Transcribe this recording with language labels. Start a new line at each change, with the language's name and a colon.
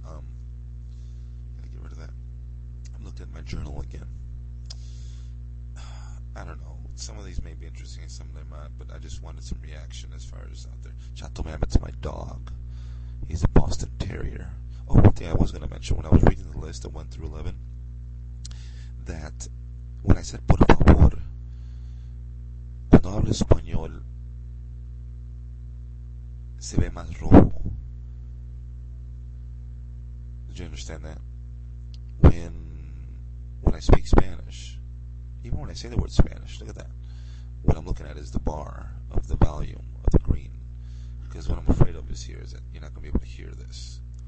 English: Gotta get rid of that. I'm looking at my journal again. I don't know. Some of these may be interesting and some of them aren't, but I just wanted some reaction as far as out there. Chato Mammoth's my dog. He's a Boston Terrier. Oh, one thing I was going to mention when I was reading the list of 1 through 11. That when I said por favor,
Spanish: cuando hablo español se ve más rojo.
English: Did you understand that? When I speak Spanish, even when I say the word Spanish, look at that. What I'm looking at is the bar of the volume of the green. Because what I'm afraid of is here is that you're not going to be able to hear this.